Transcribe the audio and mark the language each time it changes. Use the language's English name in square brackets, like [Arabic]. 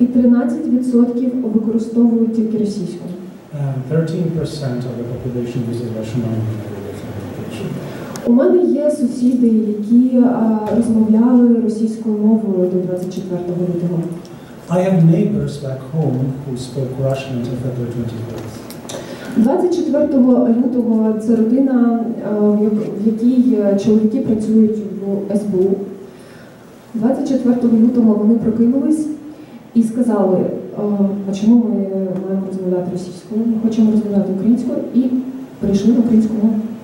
[Ukrainian] І 13% використовують тільки російську. [English] 13% of the population uses Russian only in everyday communication. [Ukrainian] У мене є сусіди, які розмовляли російською мовою до 24 лютого. [English] I have neighbors back home who spoke Russian until February 24th. [Ukrainian] 24 лютого це родина, в якій чоловіки працюють в СБУ. 24 лютого вони прокинулись і сказали, а чому ми маємо розмовляти російською, ми хочемо розмовляти українською, і перейшли на українську мову.